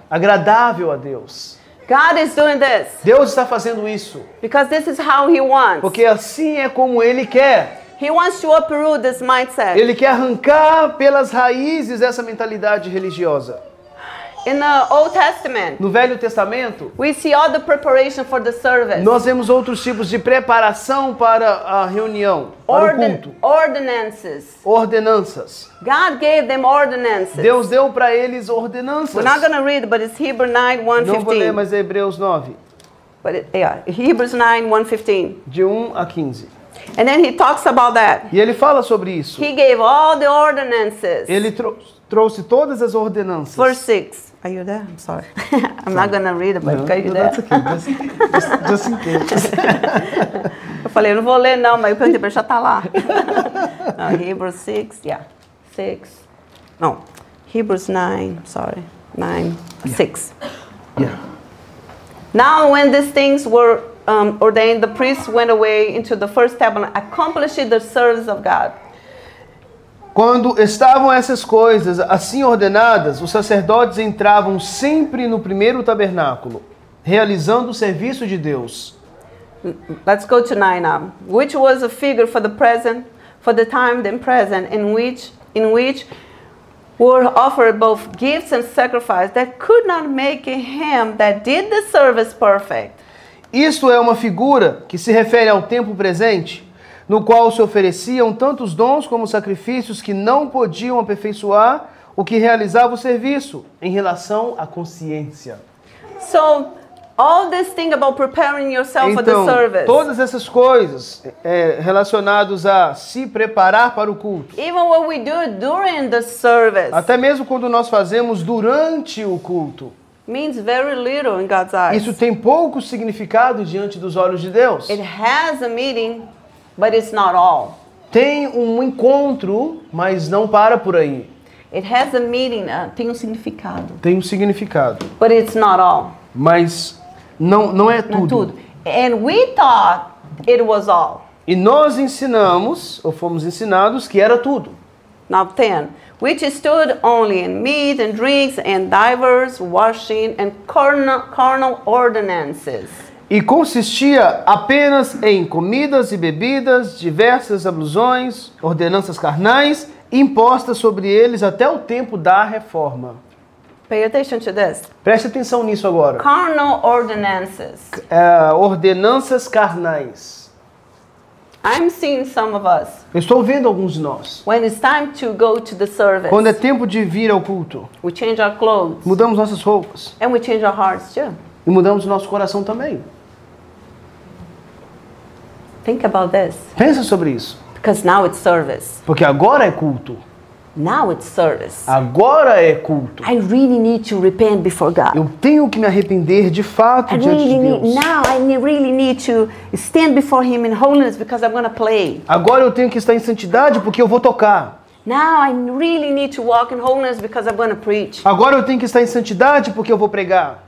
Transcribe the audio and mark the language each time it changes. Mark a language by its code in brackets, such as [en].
[pt] Agradável a Deus. [en] God is doing this. [pt] Deus está fazendo isso. [en] Because this is how he wants. [pt] Porque assim é como ele quer. [en] He wants to uproot this mindset. [pt] Ele quer arrancar pelas raízes essa mentalidade religiosa. [en] In the Old Testament. [pt] No Velho Testamento. [en] We see all the preparation for the service. [pt] Nós vemos outros tipos de preparação para a reunião, para o culto. [en] Ordinances. [pt] Ordenanças. [en] God gave them ordinances. [pt] Deus deu para eles ordenanças. [en] We're not going to read, but it's Hebrews 9:1-15. [pt] Não vou ler, mas é Hebreus 9. [en] But it, yeah, Hebrews 9:1-15. [pt] De 1 a 15. [en] And then he talks about that. [pt] E ele fala sobre isso. [en] He gave all the ordinances. [pt] Ele trouxe todas as ordenanças. [en] Verse 6. Are you there? I'm sorry. I'm not going to read it, but can you there? That's okay. Just in case. [pt] Eu falei, eu não vou ler não, mas eu perguntei para ele, já tá lá. [en] No, Hebrews 6, yeah. 6. No. Hebrews 9, sorry. 9:6. Yeah. Now when these things were ordained, the priests went away into the first tabernacle, accomplishing the service of God. [pt] Quando estavam essas coisas assim ordenadas, os sacerdotes entravam sempre no primeiro tabernáculo, realizando o serviço de Deus. [en] Let's go to 9 now. Which was a figure for the present, for the time then present, in which were offered both gifts and sacrifices that could not make him that did the service perfect. [pt] Isto é uma figura que se refere ao tempo presente, no qual se ofereciam tantos dons como sacrifícios que não podiam aperfeiçoar o que realizava o serviço em relação à consciência. [en] So, All this thing about preparing yourself for the service. [pt] Então, todas essas coisas relacionadas a se preparar para o culto. [en] Even what we do during the service. [pt] Até mesmo quando nós fazemos durante o culto. [en] Means very little in God's eyes. [pt] Isso tem pouco significado diante dos olhos de Deus. [en] It has a meeting, but it's not all. [pt] Tem um encontro, mas não para por aí. [en] It has a meaning, [pt] tem um significado. Tem um significado. [en] But it's not all. [pt] Mas não é tudo. Não é tudo. [en] And we thought it was all. [pt] E nós ensinamos, ou fomos ensinados, que era tudo. [en] Now 10. Which stood only in meat and drinks and divers washing and carnal ordinances. [pt] E consistia apenas em comidas e bebidas, diversas abluções, ordenanças carnais, impostas sobre eles até o tempo da reforma. [en] Pay attention to this. [pt] Preste atenção nisso agora. [en] Carnal ordinances. [pt] Ordenanças carnais. [en] I'm seeing some of us. [pt] Estou vendo alguns de nós. [en] When it's time to go to the service. [pt] Quando é tempo de vir ao culto. [en] We change our clothes. [pt] Mudamos nossas roupas. [en] And we change our hearts too. [pt] E mudamos o nosso coração também. [en] Think about this. [pt] Pensa sobre isso. [en] Because now it's service. [pt] Porque agora é culto. [en] Now it's service. [pt] Agora é culto. [en] I really need to repent before God. [pt] Eu tenho que me arrepender de fato diante de Deus. [en] I really need to stand before him in holiness because I'm going to play. [pt] Agora eu tenho que estar em santidade porque eu vou tocar. [en] Now I really need to walk in holiness because I'm going to preach. [pt] Agora eu tenho que estar em santidade porque eu vou pregar.